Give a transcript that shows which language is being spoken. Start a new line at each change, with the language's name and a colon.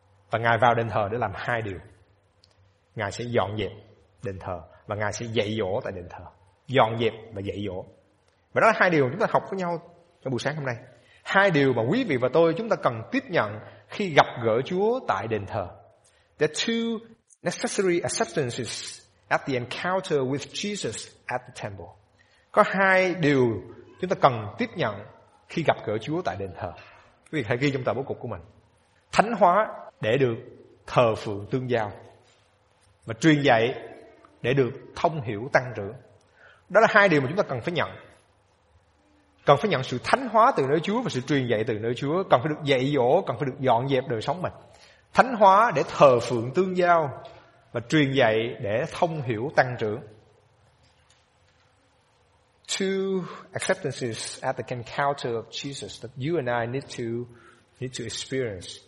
Vietnamese: Và Ngài vào đền thờ để làm hai điều. Ngài sẽ dọn dẹp đền thờ và Ngài sẽ dạy dỗ tại đền thờ. Dọn dẹp và dạy dỗ. Và đó là hai điều chúng ta học với nhau trong buổi sáng hôm nay. Hai điều mà quý vị và tôi chúng ta cần tiếp nhận khi gặp gỡ Chúa tại đền thờ.
English: The two necessary acceptances at the encounter with Jesus at the temple.
Vietnamese: Có hai điều chúng ta cần tiếp nhận khi gặp gỡ Chúa tại đền thờ. Quý vị hãy ghi trong tờ bố cục của mình. Thánh hóa để được thờ phượng tương giao. Và truyền dạy để được thông hiểu tăng trưởng. Đó là hai điều mà chúng ta cần phải nhận. Cần phải nhận sự thánh hóa từ nơi Chúa và sự truyền dạy từ nơi Chúa. Cần phải được dạy dỗ, cần phải được dọn dẹp đời sống mình. Thánh hóa để thờ phượng tương giao và truyền dạy để thông hiểu tăng trưởng.
English: Two acceptances at the encounter of Jesus that you and I need to experience.